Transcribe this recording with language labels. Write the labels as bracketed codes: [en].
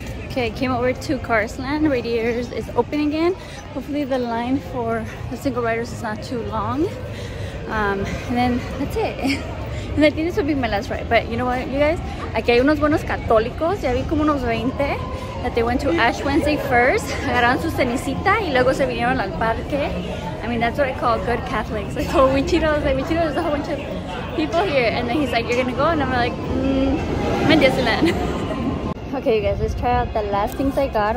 [en] Okay, I came over to Cars Land. Radiators is open again. Hopefully the line for the single riders is not too long. And then that's it. And I think this would be my last ride, but you know what, you guys? [es] Aquí hay unos buenos católicos. Ya vi como unos 20 [en] that they went to Ash Wednesday first. [es] Agarraron su cenicita y luego se vinieron al parque. [en] I mean, that's what I call good Catholics. I told Wichito, I was like, Wichito, there's a whole bunch of people here. And then he's like, you're gonna go? And I'm like, I'm in Disneyland. Okay, you guys, let's try out the last things I got.